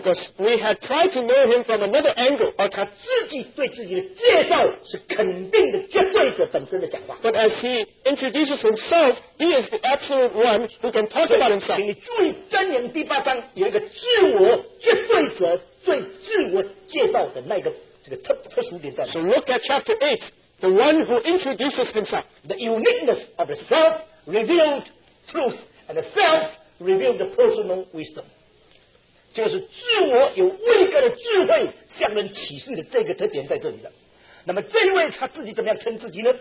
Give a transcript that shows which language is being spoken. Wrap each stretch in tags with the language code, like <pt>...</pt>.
<en>Because we had tried to know him from another angle.</en> <zh>而他自己对自己的介绍是肯定的绝对者本身的讲话。</zh> <en>But as he introduces himself, he is the absolute one who can talk about himself.</en> <zh>请你注意箴言第八章有一个自我绝对者</zh> <en>So look at chapter 8, the one who introduces himself. The uniqueness of the self-revealed truth and the self-revealed personal wisdom.</en> <zh>就是自我有位格的智慧向人启示的这个特点在这里的。那么这一位他自己怎么样称自己呢?</zh>